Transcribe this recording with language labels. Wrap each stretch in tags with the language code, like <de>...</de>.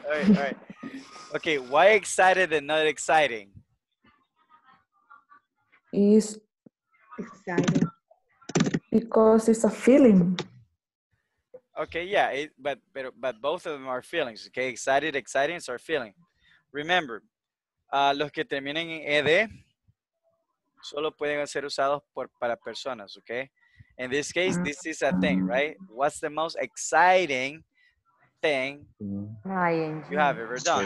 <en>All right. Okay, why excited and not exciting? It's exciting. Because it's a feeling. Okay, yeah, but both of them are feelings, okay? Exciting is our feeling. Remember,</en> <es>los que terminen en ed solo pueden ser usados para personas, okay?</es> <en>In this case, this is a thing, right? What's the most exciting thing you have ever done?</en>